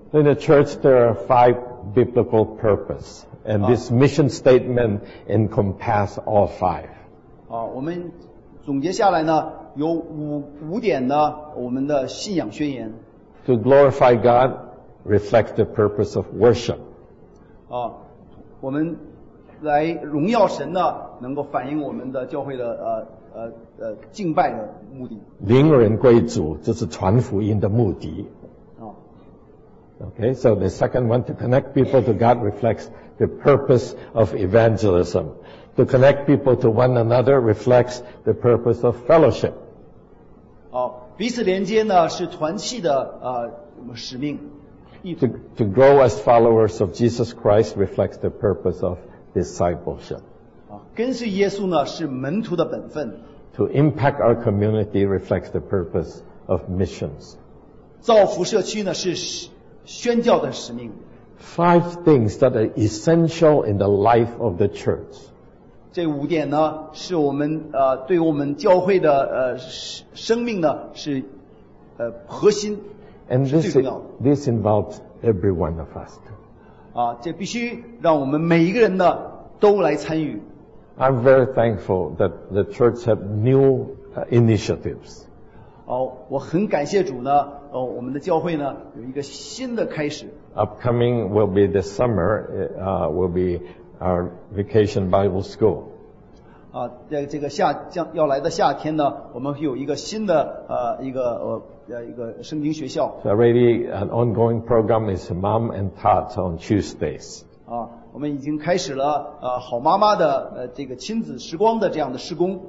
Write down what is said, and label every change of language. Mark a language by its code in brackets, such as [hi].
[en] In the church, there are 5 biblical purpose, and this mission statement encompass all 5. [zh] 啊，我们总结下来呢，有5点呢，我们的信仰宣言。 [en] To glorify God reflects the purpose of worship. [zh] 啊，我们。来荣耀神呢，能够反映我们的教会的敬拜的目的。灵人归主，这是传福音的目的。 [en] Okay, so the second one, to connect people to God reflects the purpose of evangelism. To connect people to one another reflects the purpose of fellowship. [zh] 好，彼此连接呢是团契的使命。 [en] To grow as followers of Jesus Christ reflects the purpose of discipleship. [zh] 跟随耶稣呢是门徒的本分。 [en] To impact our community reflects the purpose of missions. [zh] 造福社区呢是宣教的使命。 [en] 5 things that are essential in the life of the church. [zh] 这五点呢是我们对我们教会的生命呢是核心。 [en] And this involves every one of us. [zh] 这必须让我们每一个人呢都来参与。 [en] I'm very thankful that the church have new initiatives. [zh] 我很感谢主呢，我们的教会呢有一个新的开始。 [en] Upcoming will be this summer, will be our vacation Bible school. [zh] 这个要来的夏天呢，我们会有一个新的一个圣经学校。 [en] So already an ongoing program is Mom and Tots on Tuesdays. [zh] 我们已经开始了好妈妈的这个亲子时光的这样的施工。